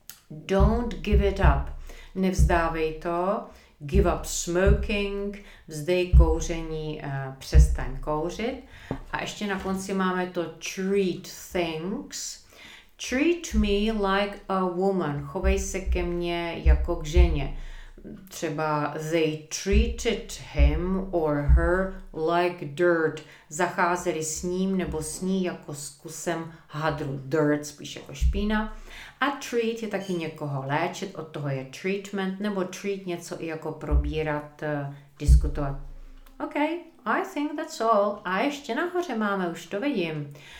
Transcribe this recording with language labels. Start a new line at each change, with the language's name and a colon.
English: Don't give it up.
Czech: Nevzdávej to,
English: give up smoking,
Czech: vzdej kouření, přestaň kouřit. A ještě na konci máme
English: to treat things. Treat me like a woman,
Czech: chovej se ke mně jako k ženě. Třeba
English: they treated him or her like dirt.
Czech: Zacházeli s ním nebo s ní jako s kusem hadru. Dirt spíš jako špína. A treat je taky někoho léčit, od toho je treatment, nebo treat něco i jako probírat, diskutovat.
English: OK, I think that's all.
Czech: A ještě nahoře máme, už to vidím.